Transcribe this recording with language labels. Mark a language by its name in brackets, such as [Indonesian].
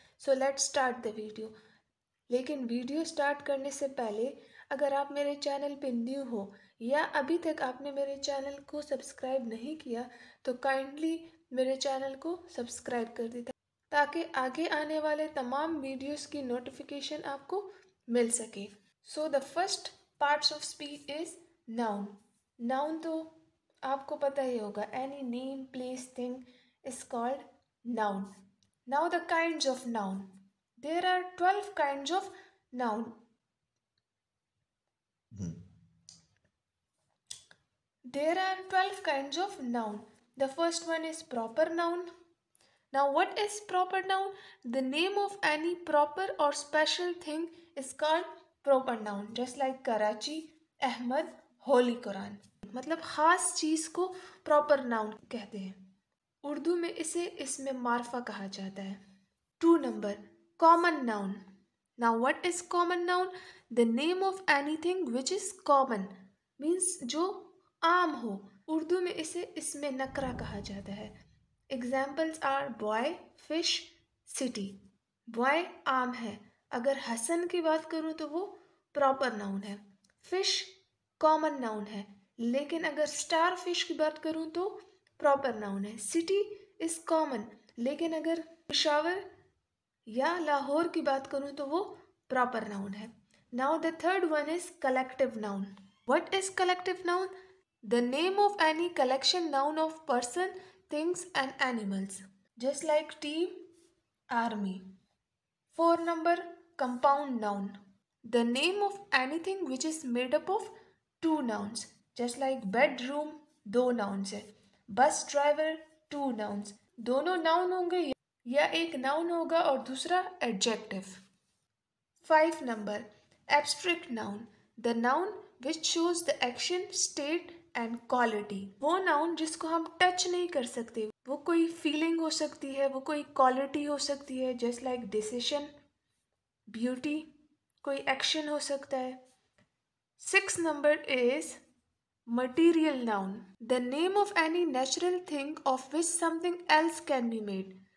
[English] So let start the video. [Urdu] لیکن video start کرنے سے پہلے، اگر آپ میرے چینل پہ نیو ہو یا ابھی تک آپ نے میرے چینل کو سبسکرائب نہیں کیا تو کائنڈلی میرے چینل کو سبسکرائب کر دیتے تاکہ آگے آنے والے تمام ویڈیوز کی نوٹیفیکیشن آپ کو مل سکے. [English] So the first parts of speech is noun. [Urdu] Noun تو آپ کو پتہ ہی ہوگا، [English] Any name, place, thing is called noun. Now the kinds of noun. There are 12 kinds of noun. There are 12 kinds of noun. The first one is proper noun. Now what is proper noun? The name of any proper or special thing is called proper noun. Just like Karachi, Ahmed, Holy Quran. [Urdu] مطلب خاص چیز کو [English] proper noun [Urdu] کہتے ہیں. اردو میں اسے اسم معرفہ کہا جاتا ہے. [English] Two number, common noun. Now what is common noun? The name of any thing which is common, means [Urdu] جو عام ہو. اردو میں اسے اسم نکرہ کہا جاتا ہے. [English] Examples are boy, fish, city. [Urdu] Boy عام ہے. اگر حسن کی بات کروں تو وہ پراپر ناؤن ہے. فش کامن ناؤن ہے، لیکن اگر اسٹار فش کی بات کروں تو پراپر ناؤن ہے. [English] city is common, [Urdu] لیکن اگر پشاور یا لاہور کی بات کروں تو وہ پراپر ناؤن ہے. [English] Now the third one is collective noun. What is collective noun? The name of any collection noun of person, things and animals, just like team, army. Four number, compound noun. The name of any thing which is made up of two nouns, just like bed room, [Urdu] do nouns ہے. [English] Bus driver, two nouns. [Urdu] دونوں noun ہوں گے یا ایک noun ہوگا اور دوسرا adjective. [English] Five number, abstract noun. The noun which shows the action, state and quality. [Urdu] وہ ناؤن جس کو ہم ٹچ نہیں کر سکتے، وہ کوئی فیلنگ ہو سکتی ہے، وہ کوئی کوالٹی ہو سکتی ہے، [English] just like decision, beauty, [Urdu] کوئی ایکشن ہو سکتا ہے. [English] Six number is material noun. The name of any natural thing of which something else can be made.